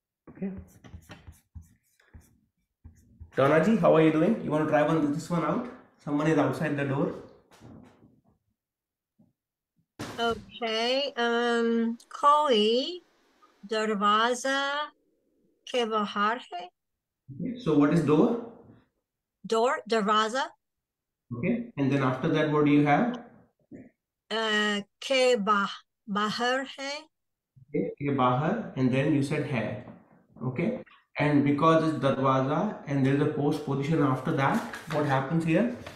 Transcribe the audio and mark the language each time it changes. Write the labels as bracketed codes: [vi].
[en] Okay. Donna ji, how are you doing? You want to try this one out? Someone is outside the door. [hi] Okay, कोई दरवाज़ा के बाहर है. [en] So what is door? Door, दरवाज़ा. Okay, and then after that, what do you have? [hi] के बाहर है. [en] Ke bahar, and then you said hai. Okay, and because it's darwaza and there's a post position after that, what happens here?